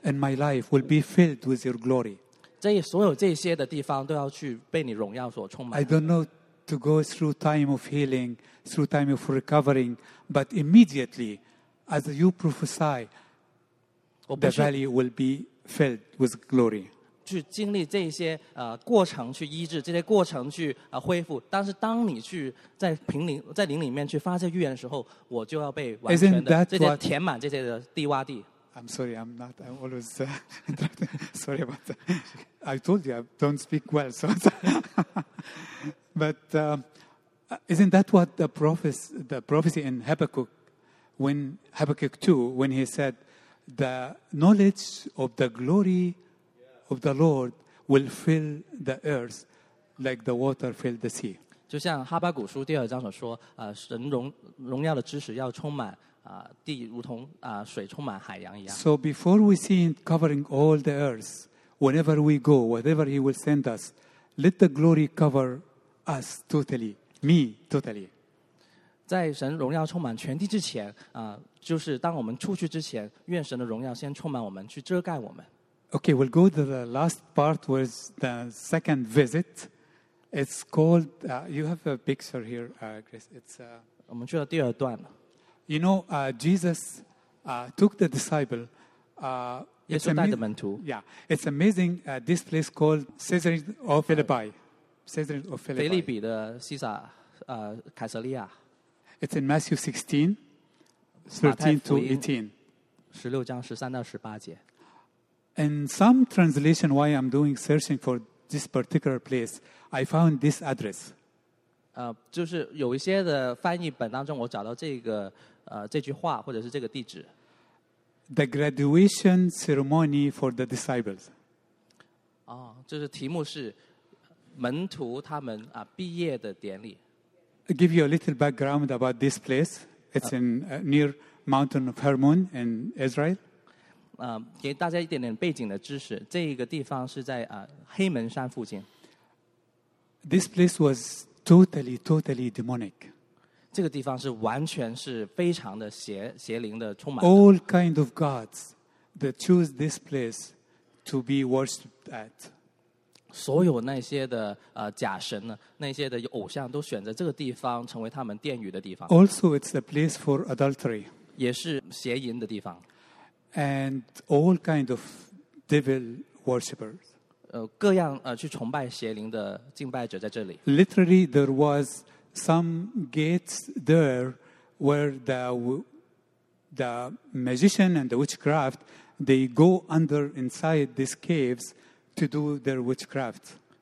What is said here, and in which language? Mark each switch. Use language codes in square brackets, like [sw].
[en] ，in my life will be filled with your glory。 [zh] 这所有这些的地方都要去被你荣耀所充满。 [en] I don't know to go through time of healing, through time of recovering, but immediately, as you prophesy, the valley will be filled with glory。 [zh] 去经历这些过程去医治，这些过程去恢复。但是当你去在灵里面去发这预言的时候，我就要被完全的这些填满这些的地洼地。 [en] I'm sorry, I'm not. I'm always sorry about that. I told you I don't speak well, so. But isn't that what the prophecy in Habakkuk, when Habakkuk 2, when he said, the knowledge of the glory. Of the Lord will fill the earth like the water filled the sea. [zh] 就像哈巴谷书第二章所说，神荣耀的知识要充满地如同水充满海洋一样。 [en] So before we see him covering all the earth, whenever we go, whatever he will send us, let the glory cover us totally, me totally. [zh] 在神荣耀充满全地之前，就是当我们出去之前，愿神的荣耀先充满我们，去遮盖我们。 [en] Okay, we'll go to the last part, was the second visit. It's called, you have a picture here, Chris. It's, [zh] 我们去了第二段了。 [en] You know, Jesus took the disciple. [zh] 耶稣带着门徒。 [en] Yeah, it's amazing, this place called Caesarea of Philippi. Caesarea of Philippi. [zh] 腓立比的西撒，凯撒利亚。 [en] It's in Matthew 16, 13 to 18. [zh] 16章13到18节。 [en] In some translation, why I'm doing searching for this particular place, I found this address. [zh] 就是有一些的翻译本当中，我找到这个这句话或者是这个地址。 [en] The graduation ceremony for the disciples. [zh] 哦，就是题目是门徒他们毕业的典礼。 [en] I'll give you a little background about this place. It's in near mountain of Hermon in Israel. [zh] 给大家一点点背景的知识，这个地方是在黑门山附近。 [en] This place was totally, totally demonic. [zh] 这个地方是完全是非常的邪灵的，充满。 [en] All kind of gods that choose this place to be worshipped at. [zh] 所有那些的假神呢，那些的偶像都选择这个地方成为他们殿宇的地方。 [en] Also, it's a place for adultery. [zh] 也是邪淫的地方。 [en] And all kind of devil worshippers. [zh] 各样去崇拜邪灵的敬拜者在这里。 [en] Literally, there was some gates there where the magician and the witchcraft they go under inside these caves to do their witchcraft.